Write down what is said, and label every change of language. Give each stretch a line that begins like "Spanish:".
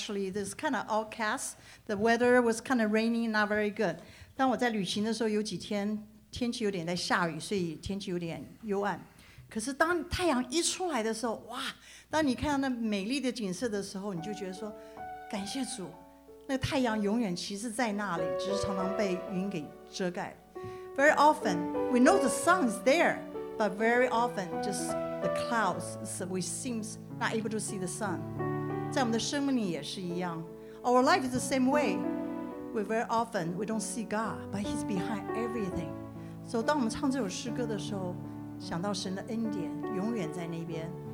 English: The weather was kind of rainy, not very good.
Chinese: 当我在旅行的时候，有几天天气有点在下雨，所以天气有点幽暗。可是当太阳一出来的时候，哇！当你看到那美丽的景色的时候，你就觉得说，感谢主，那太阳永远其实在那里，只是常常被云给遮盖。
English: Very often we know the sun is there, but very often just the clouds, so we seems not able to see the sun.
Chinese: 在我们的生命里也是一样。
English: Our life is the same way. We very often we don't see God, but He's behind everything.
Chinese: So, 当我们唱这首诗歌的时候，想到神的恩典永远在那边。